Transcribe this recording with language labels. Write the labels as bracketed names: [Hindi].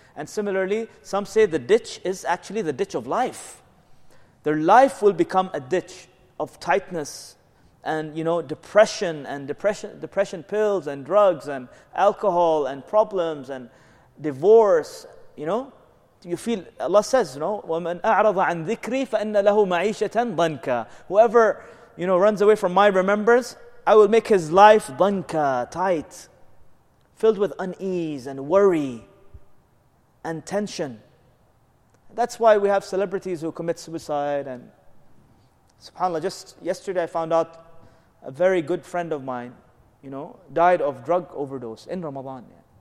[English] And similarly, some say the ditch is actually the ditch of life. Their life will become a ditch of tightness and, you know, depression pills and drugs and alcohol and problems and divorce, you know. You feel, Allah says, you know, [Arabic] وَمَنْ أَعْرَضَ عَنْ ذِكْرِي فَإِنَّ لَهُ مَعِيشَةً ضَنْكَ. [English] Whoever, you know, runs away from my remembrance, I will make his life ضَنْكَ, tight, filled with unease and worry and tension. That's why we have celebrities who commit suicide. And subhanAllah, just yesterday I found out a very good friend of mine, you know, died of drug overdose in Ramadan. Yeah.